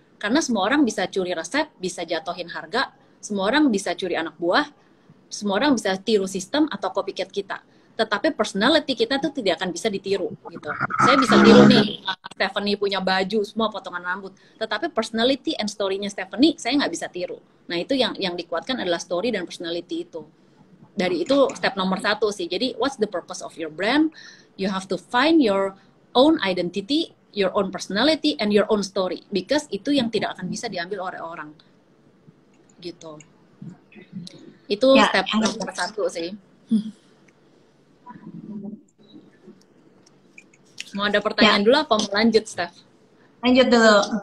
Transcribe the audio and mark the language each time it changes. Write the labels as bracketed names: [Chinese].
[Indonesian] Karena semua orang bisa curi resep, bisa jatohin harga, semua orang bisa curi anak buah, semua orang bisa tiru sistem atau copycat kita. Tetapi personality kita itu tidak akan bisa ditiru. Gitu. Saya bisa tiru nih, Stephanie punya baju, semua potongan rambut. Tetapi personality and story-nya Stephanie, saya nggak bisa tiru. Nah, itu yang dikuatkan adalah story dan personality itu. Dari itu, step nomor satu sih. Jadi, [English] what's the purpose of your brand? You have to find your own identity, your own personality, and your own story. [Indonesian] Because itu yang tidak akan bisa diambil oleh orang. Gitu. Itu ya, step nomor satu sih. Mau ada pertanyaan dulu apa mau lanjut, Steph? Lanjut dulu.